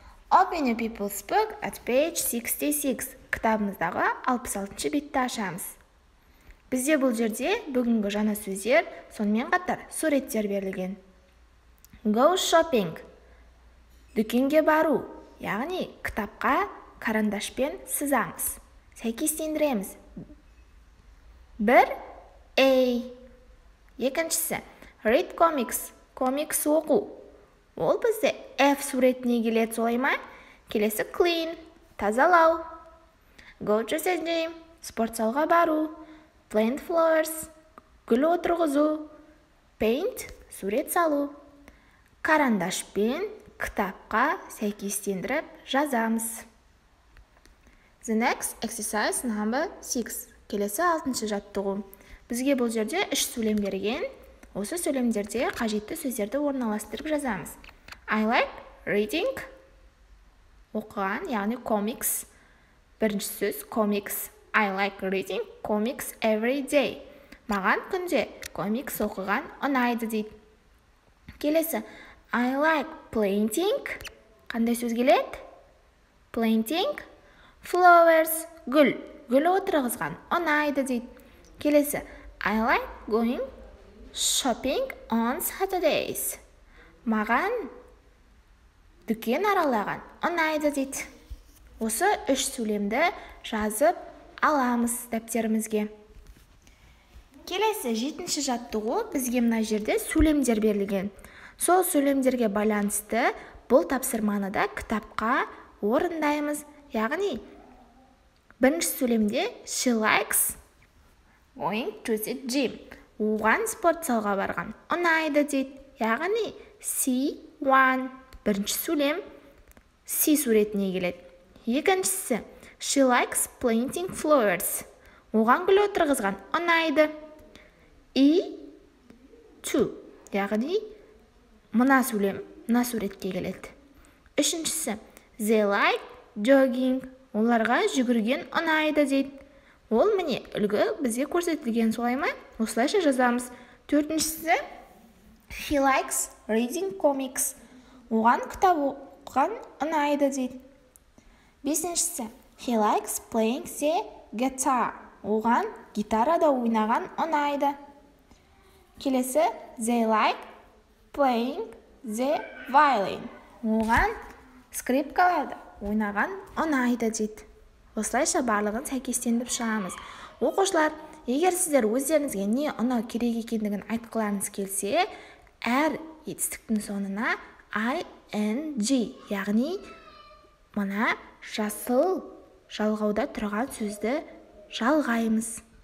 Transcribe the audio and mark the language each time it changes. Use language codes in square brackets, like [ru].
[en] Open your people's book at page 66. [kk] Кітабымыздағы 66-шы бетті ашамыз. Бізде бұл жерде бүгінгі жаңа сөздер, сонымен қатар суреттер берілген. [en] Go shopping. [kk] Дүкенге бару. Яғни, кітапқа карандашпен сызамыз. Сәйкестендіреміз. Бір, A. Екіншісі, [en] read comics. [kk] Comics оқу. Ол бізді F суретіне келеді солай ма? Келесі, clean. Тазалау. [en] Go to the gym. [kk] Спортзалға бару. [en] Plant flowers. [kk] Гүл отырғызу. [en] Paint. [kk] Сурет салу. Карандашпен кітапқа сәйкестендіріп жазамыз. [en] The next exercise number 6. [kk] Келесі 6-шы жаттығу. Бізге бұл жерде 3 сөйлем берген. Осы сөйлемдерде қажетті сөздерді орналастырып жазамыз. [en] I like reading. [kk] Оқыған, яғни comics. Бірінші сөз comics. [en] I like reading comics every day. [kk] Маған күнде comics оқыған ұнайды дейді. Келесі. [en] I like planting. [kk] Қандай сөз келет? [en] Planting. Flowers. [kk] Гүл. Гүл отырғызған. Ұнайды дейді. Келесі. [en] I like going shopping on Saturdays. [kk] Маған дүкен аралаған. Ұнайды дейді. Осы үш сөйлемді жазып аламыз дәптерімізге. Келесі 7-ші жаттығу бізге мына жерде сөйлемдер берілген. Сол сөйлемдерге байланысты бұл тапсырманы да кітапқа орындаймыз. Яғни, бірінші сөйлемде [en] she likes going to the gym. [kk] Оған спорт залға барған. Ұнайды дейді. Яғни, [en] see one. [kk] Бірінші сөйлем see суретіне келеді. Екіншісі, [en] she likes planting flowers. [kk] Оған гүл отырғызған. Ұнайды. [en] E two. [kk] Яғни, мына сөйлем, мына суретке келеді. Үшіншісі, [en] they like jogging. [kk] Оларға жүгірген ұнайды дейді. Ол міне үлгі бізге көрсетілген солай ма? Осылайша жазамыз. Төртіншісі, [en] he likes reading comics. [kk] Оған кітап оқыған ұнайды дейді. Бесіншісі, [en] he likes playing the guitar. [kk] Оған гитарада ойнаған ұнайды. Келесі, [en] they like playing the violin. [kk] Оған скрипкаларды ойнаған ұнайды дейді. Осылайша барлығын сәйкестендіріп шығамыз. Оқушылар, егер сіздер өздеріңізге не ұнау керек екендігін айтқыларыңыз келсе, әр етістіктің соңына ing, яғни мына жасыл жалғауда тұрған сөзді жалғаймыз.